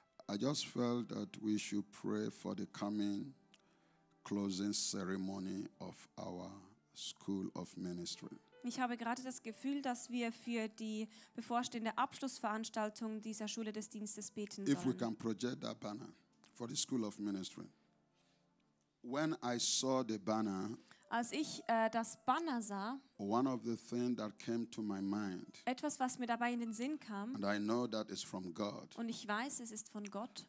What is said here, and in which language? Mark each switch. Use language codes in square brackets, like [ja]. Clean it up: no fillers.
[en] I just felt that we should pray for the coming closing ceremony of our school of ministry. [de] Ich habe gerade das Gefühl, dass wir für die bevorstehende Abschlussveranstaltung dieser Schule des Dienstes beten sollen. [en] If we can project that banner for the school of ministry. When I saw the banner, [de] als ich das Banner sah, [en] one of the things that came to my mind, [de] etwas, was mir dabei in den Sinn kam, [en] and I know that it's from God, [de] und ich weiß, es ist von Gott,